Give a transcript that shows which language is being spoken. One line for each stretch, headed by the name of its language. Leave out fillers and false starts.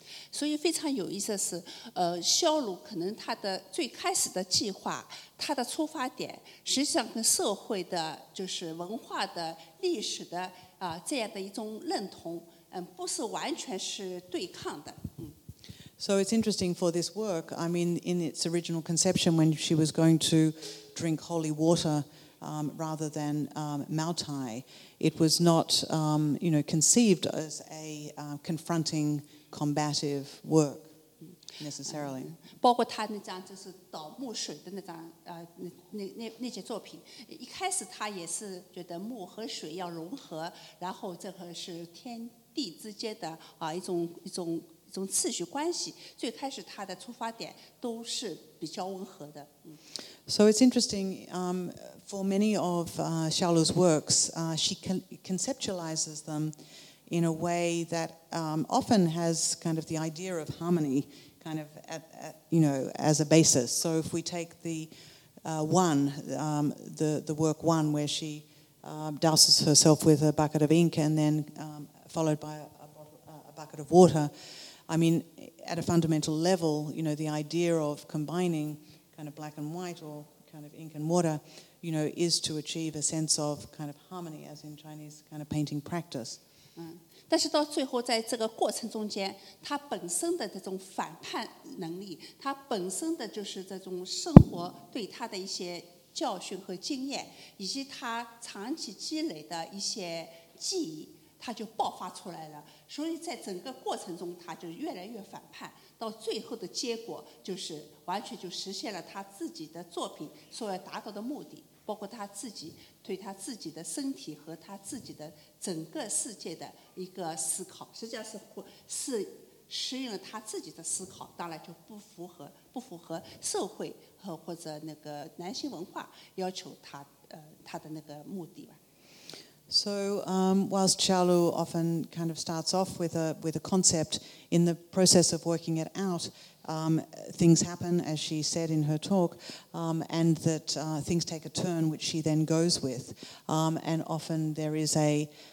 Chinese: 所以非常有意思的是，肖鲁可能他的最开始的计划，他的出发点，实际上跟社会的，就是文化的、历史的这样的一种认同，不是完全是对抗的。
English: So it's interesting for this work. I mean, in its original conception, when she was going to drink holy water rather than Maotai, it was not, you know, conceived as a confrontingcombative work necessarily.
Chinese: 包括他那张就是倒木水的那张那些作品，一开始他也是觉得木和水要融合，然后这个是天地之间的一种次序关系。最开始他的出发点都是比较温和的。
English: So it's interesting. For many of Shaolu's works, she conceptualizes them. In a way that often has kind of the idea of harmony, kind of as a basis. So if we take the the work one where she douses herself with a bucket of ink and then followed by a bucket of water, I mean, at a fundamental level, you know, the idea of combining kind of black and white or kind of ink and water, you know, is to achieve a sense of kind of harmony, as in Chinese kind of painting practice.
Chinese: 但是到最后在这个过程中间，他本身的这种反叛能力，他本身的就是这种生活对他的一些教训和经验，以及他长期积累的一些记忆，他就爆发出来了。所以在整个过程中，他就越来越反叛，到最后的结果就是完全就实现了他自己的作品所要达到的目的，包括他自己对他自己的身体和他自己的整个世界的一个思考，实际上是适应了他自己的思考，当然就不符合社会和或者那个男性文化要求他的那个目的吧。
English: So whilst Xiaolu often kind of starts off with a concept, in the process of working it out, things happen, as she said in her talk, and that things take a turn which she then goes with, and often there is a